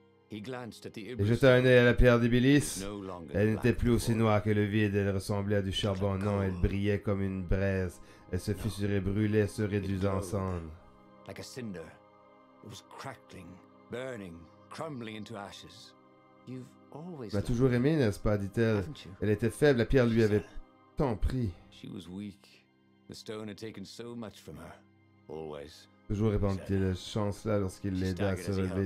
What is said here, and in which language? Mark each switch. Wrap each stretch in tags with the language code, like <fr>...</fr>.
<fr>Il jeta un œil à la pierre d'Ibilis. Elle n'était plus aussi noire que le vide, elle ressemblait à du charbon. Non, elle brillait comme une braise. Elle se fissurait, brûlait, se réduisait en cendres.</fr> <en>Like a cinder. It was crackling, burning, crumbling into ashes. You've always.</en> <fr>Tu m'as toujours aimé, n'est-ce pas? Dit-elle. Elle était faible, la pierre lui avait tant pris.</fr> <en>She was weak. The stone had taken so much from her. Always.</en> <fr>Toujours répondit-il, chance là lorsqu'il l'aida à se relever.</fr>